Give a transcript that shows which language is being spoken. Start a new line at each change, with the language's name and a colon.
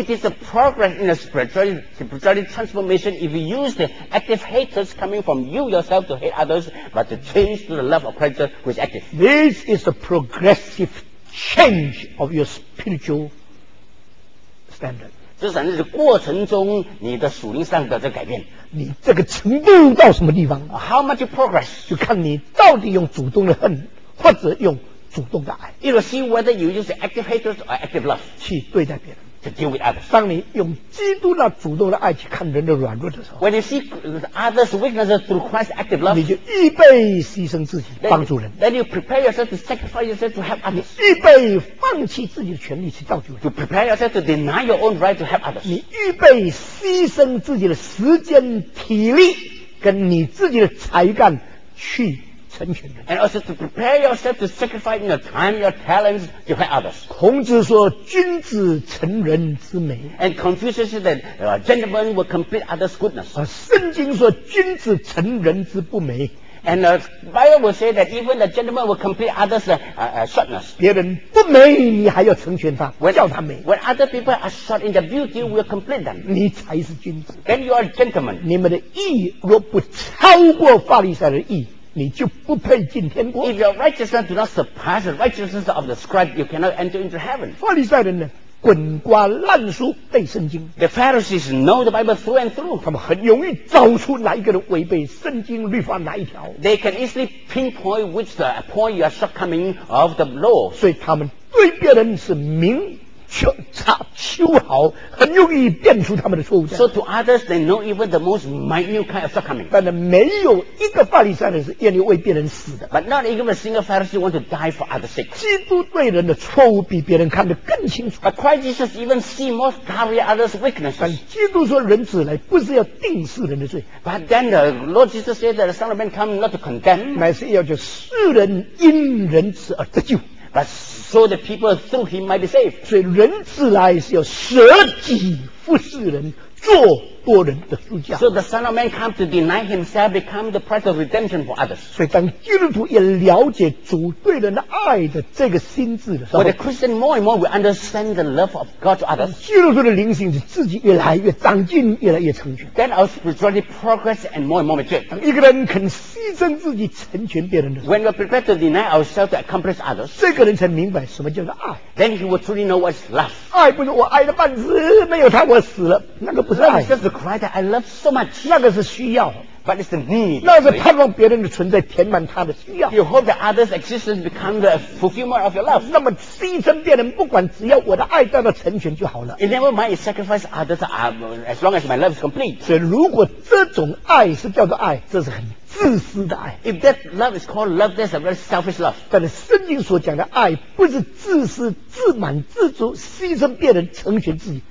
English: It is a progress in a spiritual transformation if you use the active hatred coming from you yourself to hate others, but to change to the love of Christ who is active. This is a progressive change of your spiritual standard.
Chinese: 这是在过程中你的属灵上的这个改变。你这个程度到什么地方
English: ？How much progress？
Chinese: 就看你到底用主动的恨，或者用。主动的爱
English: ，You will see whether you use active hatred or active love
Chinese: 去对待别人
English: ，to deal with others。
Chinese: 当你用基督那主动的爱去看人的软弱的时候
English: ，When you see others' weaknesses through Christ's active love，
Chinese: 你就预备牺牲自己帮助人。
English: Then you prepare yourself to sacrifice yourself to help others。
Chinese: 预备放弃自己的权利去造就人。
English: You prepare yourself to deny your own right to help others。
Chinese: 你预备牺牲自己的时间、体力跟你自己的才干去。
English: And also to prepare yourself to sacrifice your time, your talents to help others.
Chinese: 孔子说，君子成人之美。
English: And Confucius said that gentlemen will complete others' goodness.
Chinese: 圣经说，君子成人之不美。
English: And the Bible will say that even the gentleman will complete others' shortness.
Chinese: 别人不美，你还要成全他，叫他美。
English: When other people are short in their beauty, we'll complete them.
Chinese: 你才是君子。
English: Then you are gentlemen.
Chinese: 你们的义若不超过法利赛人的义。你就不配进天国。
English: If your righteousness do not surpass the righteousness of the scribe, you cannot enter into heaven.
Chinese: 法利赛人呢，滚瓜烂熟背圣经。
English: The Pharisees know the Bible through and through.
Chinese: 他们很容易找出哪一个人违背圣经律法哪一条。
English: They can easily pinpoint which the point you are shortcoming of the law.
Chinese: 所以他们对别人是明修好，很容易辨出他们的错误。
English: So to others, they know even the most minute kind of shortcoming.
Chinese: 但是没有一个法利赛人是愿意为别人死的。
English: But not even a single Pharisee want to die for others' sake.
Chinese: 基督对人的错误比别人看得更清楚。
English: But Christ Jesus even see more carry others' weaknesses.
Chinese: 但基督说人子来不是要定世人的罪。
English: But then the Lord Jesus said that the Son of Man come not to condemn.
Chinese: 乃是要叫世人因人子而得救。
English: But so the people through him might be saved.
Chinese: 所以人子来是要舍己服侍人，做多人的赎价。
English: So the Son of Man come to deny himself, become the price of redemption for others.
Chinese: 所以当基督徒也了解主对人的爱的这个心智的时候
English: ，When the Christian more and more we understand the love of God to others.
Chinese: 基督徒的灵性是自己越来越长进，越来越成全。
English: Then our spirituality progress and more and more mature.
Chinese: 当一个人肯牺牲自己成全别人的时候
English: ，When we prepare to deny ourselves to accomplish others.
Chinese: 这个人才明白什么叫做爱。
English: Then he will truly know what's love.
Chinese: 爱不是我爱了半死，没有他我死了，那个不是爱。
English: To cry that I love so much.
Chinese: 那个是需要
English: but it's the need.
Chinese: 那是盼望别人的存在填满他的需要
English: You hope that others' existence become the fulfillment of your love.
Chinese: 那么牺牲别人不管只要我的爱得到成全就好了
English: It never mind sacrifice others as long as my love is complete.
Chinese: 所以如果这种爱是叫做爱这是很自私的爱
English: If that love is called love that's a very selfish love.
Chinese: 但是圣经所讲的爱不是自私自满自足牺牲别人成全自己